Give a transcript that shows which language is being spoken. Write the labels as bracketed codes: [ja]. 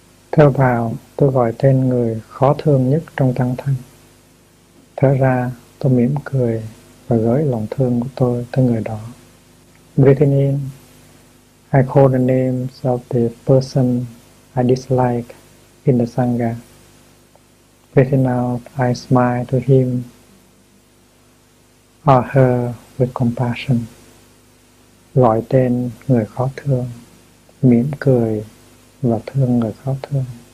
[vi] Thở vào, tôi gọi tên người khó thương nhất trong tăng thân. Thở ra, tôi mỉm cười và gửi lòng thương của tôi tới người đó. [en] Breathing in, I call the names of the person I dislike in the Sangha. Breathing out, I smile to him or her with compassion. [vi] Gọi tên người khó thương, mỉm cười và thương người khó thương.